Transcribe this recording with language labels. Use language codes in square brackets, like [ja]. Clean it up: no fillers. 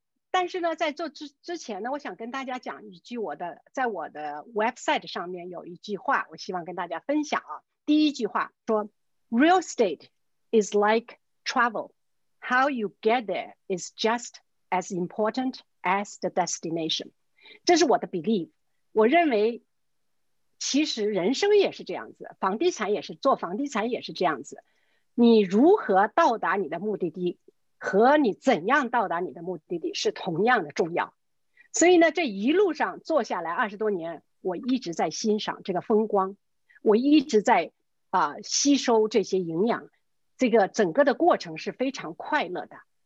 [zh] 但是呢在做之前呢，我想跟大家讲一句，在我的 website 上面有一句话，我希望跟大家分享啊。第一句话说， [en] Real estate is like travel. How you get there is just as important as the destination. [zh] 这是我的 belief。我认为其实人生也是这样子，房地产也是，做房地产也是这样子。你如何到达你的目的地和你怎样到达你的目的地是同样的重要。所以呢这一路上坐下来20多年，我一直在欣赏这个风光，我一直在吸收这些营养，这个整个的过程是非常快乐的。